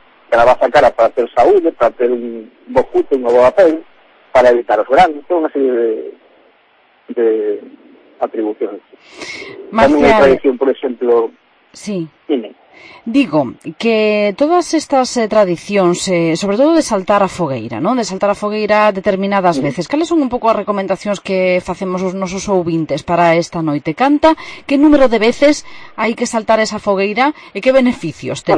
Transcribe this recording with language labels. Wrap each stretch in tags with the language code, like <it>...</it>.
<es>Te lavabas a cara para tener salud, para tener un bojuto, un nuevo papel, para evitar los granos. Toda una serie de atribuciones. Marcial, también hay tradición, por ejemplo... Sí. Dime. Digo que todas estas tradiciones, sobre todo de saltar a fogueira, ¿no? De saltar a fogueira determinadas veces.</es> <gl>¿Cales son un poco as recomendacións que facemos os nosos ouvintes para esta noite? Canta, que número de veces hai que saltar esa fogueira e que beneficios te</gl>